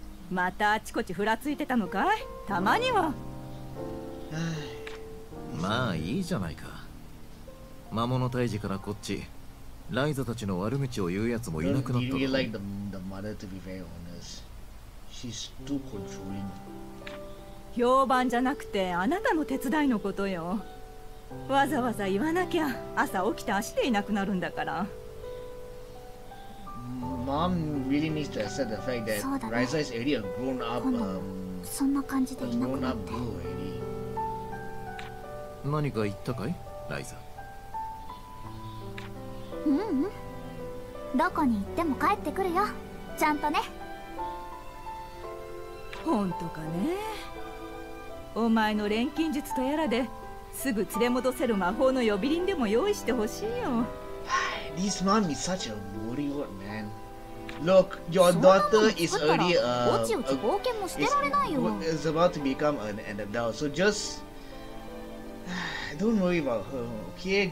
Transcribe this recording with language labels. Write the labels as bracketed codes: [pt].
[ja] またあちこちふらついてたのかい？たまには。まあいいじゃないか。魔物退治からこっち、ライザたちの悪口を言うやつもいなくなったの。 [en] Do you like the mother to be very honest? She's too controlling. [ja] 評判じゃなくてあなたの手伝いのことよ。わざわざ言わなきゃ朝起きて足でいなくなるんだから。 [en] Mom really needs to accept the fact that Ryza is already a grown up, [ja] そんな感じでいなくなって。何か言ったかい、ライザ。ううん、どこに行っても帰ってくるよ、ちゃんとね。本当かね。お前の錬金術とやらで、すぐ連れ戻せる魔法の呼び鈴でも用意してほしいよ。 [en] This mom is such a warrior, man. Look, your daughter is already is about to become an adult, so just don't worry about her, okay?